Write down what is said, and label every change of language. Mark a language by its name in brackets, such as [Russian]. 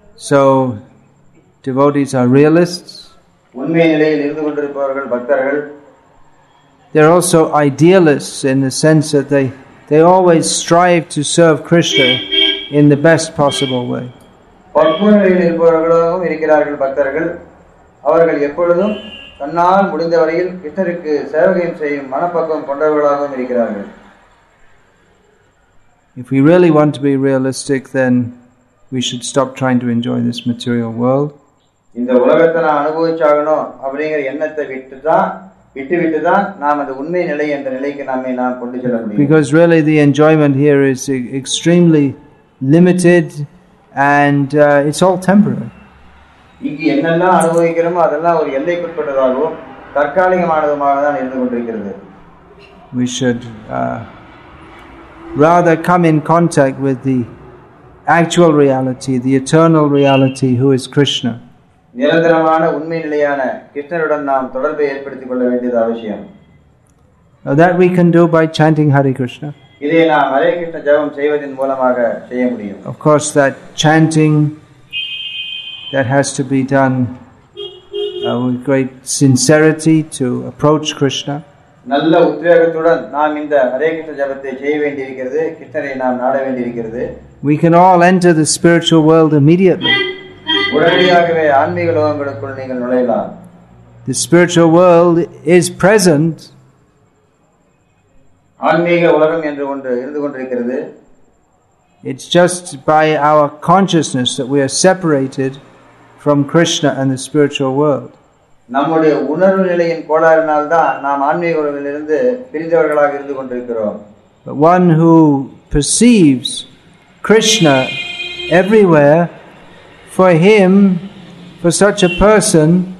[English] So, devotees are realists. [Tamil] Unmai Nilaiyil Irundhu Kondirupavargal Bhaktargal. [English] They are also idealists in the sense that they always strive to serve Krishna in the best possible way. [Tamil] பக்தர்கள் இருப்பவர்களாகவும் இருக்கிறார்கள் பக்தர்கள். அவர்கள் எப்பொழுதும் தன்னால் முடிந்தவரையில் கிருஷ்ணருக்கு சேவகம் செய்யும் மனப்பக்கம் கொண்டவர்களாகவும் இருக்கிறார்கள். [English] If we really want to be realistic, then we should stop trying to enjoy this material world. [Tamil] இந்த உலகத்தை நான் அனுபவிச்சாகணும் அப்படிங்கிற எண்ணத்தை விட்டுவிட்டுதான் நாம் அந்த உண்மை நிலை என்ற நிலைக்கு நம்மை நாம் கொண்டு செல்ல முடியும். [English] Because really the enjoyment here is extremely limited and it's all temporary. [Tamil] இங்க என்னெல்லாம் அனுபவிக்கிறோமோ அதெல்லாம் ஒரு எல்லைக்குட்பட்டதாகவும் தற்காலிகமானதுமாக தான் இருந்து கொண்டிருக்கிறது. [English] We should rather come in contact with the actual reality, the eternal reality, who is Krishna. [Tamil] நிரந்தரமான உண்மை நிலையான கிருஷ்ணருடன் நாம் தொடர்பை ஏற்படுத்திக் கொள்ள வேண்டியது அவசியம். [English] Now that we can do by chanting Hare Krishna. [Tamil] இதே நாம் ஹரே கிருஷ்ண ஜபம் செய்வதன் மூலமாக செய்ய முடியும். [English] Of course that chanting that has to be done with great sincerity to approach Krishna. [Tamil] நல்ல உத்வேகத்துடன் நாம் இந்த ஹரே கிருஷ்ண ஜபத்தை செய்ய வேண்டியிருக்கிறது, கிருஷ்ணரை நாம் நாட வேண்டியிருக்கிறது. [English] We can all enter the spiritual world immediately. [Tamil] உடனடியாகவே ஆன்மீக லோகங்களுக்குள் நீங்கள் நுழையலாம். [English] The spiritual world is present. [Tamil] ஆன்மீக உலகம் என்று ஒன்று இருந்து கொண்டிருக்கிறது. [English] It's just by our consciousness that we are separated from Krishna and the spiritual world. [Tamil] நம்முடைய உணர்வு நிலையின் கோளாறினால்தான் நாம் ஆன்மீக உலகிலிருந்து பிரிந்தவர்களாக இருந்து கொண்டிருக்கிறோம். [English] But one who perceives Krishna everywhere, for him, for such a person,